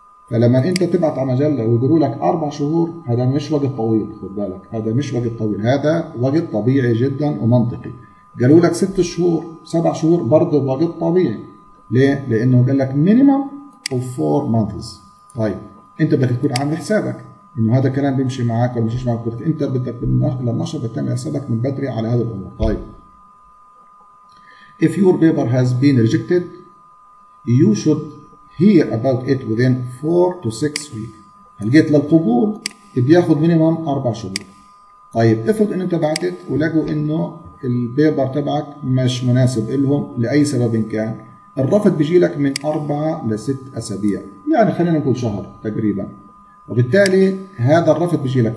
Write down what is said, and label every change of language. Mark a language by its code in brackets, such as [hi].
[ar] فلما انت تبعت على مجله ويقولوا لك 4 شهور، هذا مش وقت طويل، خد بالك هذا مش وقت طويل، هذا وقت طبيعي جدا ومنطقي. قالوا لك 6 شهور 7 شهور برضه وقت طبيعي. ليه؟ لانه قال لك [en] Minimum of 4 months. [ar] طيب انت بدك تكون عامل حسابك انه هذا الكلام بيمشي معك ولا مشيش معك، انت بدك النشر بتعمل حسابك من بدري على هذا الامر. [en] طيب if your paper has been rejected you should hear about it within 4 to 6 weeks. [ar] لقيت للقبول بياخد مينيمم 4 شهور. طيب افرض ان انت بعتت ولقوا انه البيبر تبعك مش مناسب لهم لاي سبب كان، الرفض بيجي لك من 4 ل 6 اسابيع، يعني خلينا نقول شهر تقريبا، وبالتالي هذا الرفض بيجي لك.